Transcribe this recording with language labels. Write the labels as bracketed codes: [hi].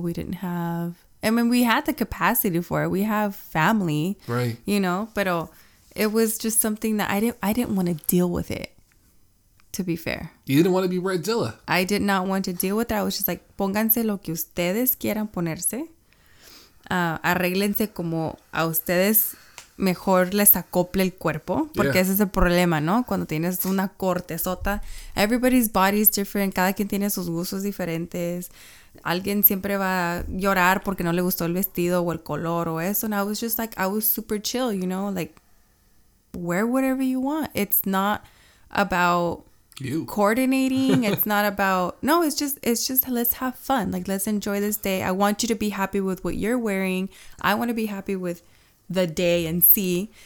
[en] We didn't have. I mean, we had the capacity for it. We have family. Right. You know, but it was just something that I didn't want to deal with it, to be fair. You didn't want to be Bridezilla. I did not want to deal with it. I was just like, [es] pónganse lo que ustedes quieran ponerse. Arréglense como a ustedes mejor les acople el cuerpo. Porque ese es el problema, ¿no? Cuando tienes una cortesota. [en] Everybody's body is different. [es] Cada quien tiene sus gustos diferentes. Alguien siempre va a llorar porque no le gustó el vestido o el color o eso. [en] And I was just like, I was super chill, you know, like, wear whatever you want. It's not about you coordinating. It's not about, no, it's just, let's have fun. Like, let's enjoy this day. I want you to be happy with what you're wearing. I want to be happy with the day and see.